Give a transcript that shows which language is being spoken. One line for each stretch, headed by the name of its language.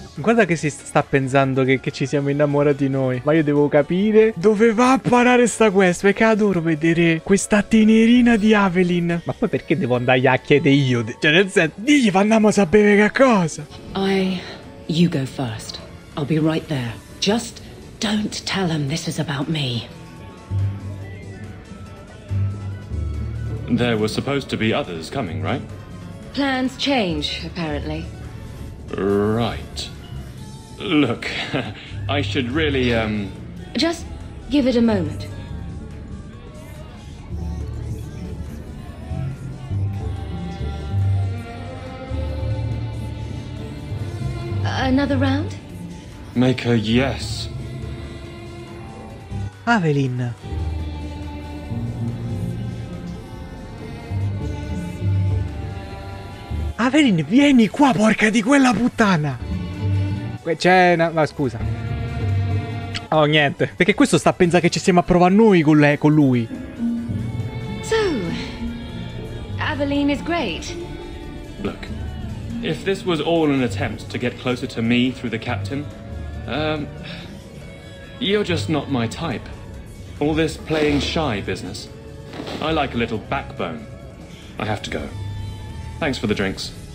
Italian: Guarda che si sta pensando che ci siamo innamorati noi. Ma io devo capire dove va a parare sta quest. Perché adoro vedere questa tenerina di Aveline. Ma poi perché devo andare a chiedere io? Cioè nel senso, digli andiamo a sapere che cosa.
English: You go first. I'll be right there. Just don't tell him this is about me. There were supposed to be others coming, right? Plans change, apparently. Right. Look, I should really, Just give it a moment. Another round? Make a yes. Aveline.
Italian: Aveline, vieni qua, porca di quella puttana! C'è una... Ma scusa. Oh, niente. Perché questo sta a pensare che ci stiamo a provare noi con lei, con lui.
English: So, Aveline is great. Look, if this was all an attempt to get closer to me through the captain, you're just not my type. All this playing shy business. I like a little backbone. I have to go. Thanks for the drinks.